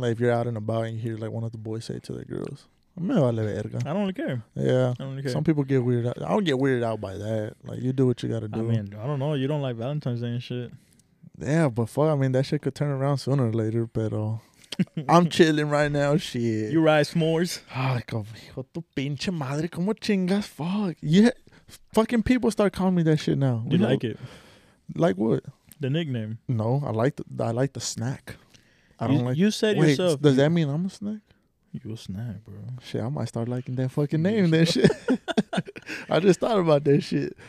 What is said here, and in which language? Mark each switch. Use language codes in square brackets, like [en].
[en] Like, if you're out and about and you hear, like, one of the boys say it to the girls. [es] Me vale verga. [en] I don't care. Yeah. I don't care. Some people get weird out. I don't get weirded out by that. Like, you do what you got to do. I mean, I don't know. You don't like Valentine's Day and shit. Yeah, but fuck. I mean, that shit could turn around sooner or later, [es] pero... [en] I'm chilling right now, shit. You ride s'mores. [es] Ay, hijo tu pinche madre, como chingas, [en] fuck. Yeah, fucking people start calling me that shit now. You know? Like it? Like what? The nickname. No, I like the snack. You don't like. You said wait, yourself. Does that mean I'm a snack? You a snack, bro. Shit, I might start liking that fucking name, that shit. I just thought about that shit.